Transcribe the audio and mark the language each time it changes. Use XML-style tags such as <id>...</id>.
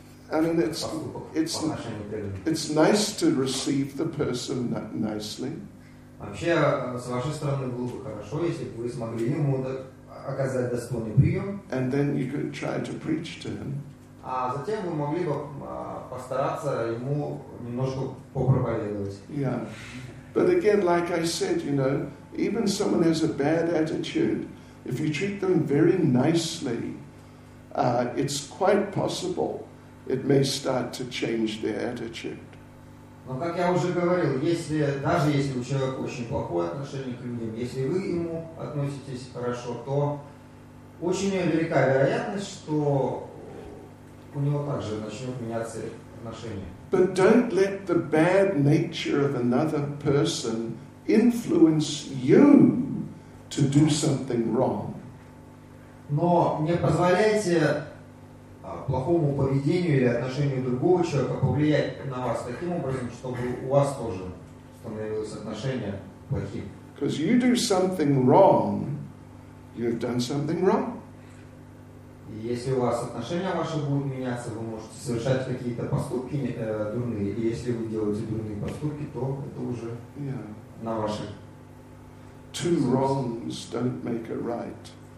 <en>I mean, it's nice to receive the person nicely.</en> <ru>Вообще, с вашей стороны было бы хорошо, если бы вы смогли ему оказать достойный прием.</ru> <en>And then you could try to preach to him.</en> <ru>А затем вы могли бы постараться ему немножко попроповедовать.</ru> <en>Yeah. But again, like I said, you know, even someone has a bad attitude, if you treat them very nicely, it's quite possible it may start to change their attitude.</en> <ru>Но как я уже говорил, даже если у человека очень плохое отношение к людям, если вы ему относитесь хорошо, то очень велика вероятность, что у него также начнет меняться отношение.</ru> <en>But don't let the bad nature of another person influence you to do something wrong.</en> <ru>Но не позволяйте плохому поведению или отношению другого человека повлиять на вас таким образом, чтобы у вас тоже становилось отношение плохим.</ru> <en>Because you do something wrong, you've done something wrong.</en> <ru>Если у вас отношения ваши будут меняться, вы можете совершать какие-то поступки дурные. И если вы делаете дурные поступки, то это уже на ваши.</ru> <en>Two wrongs don't make a right.</en>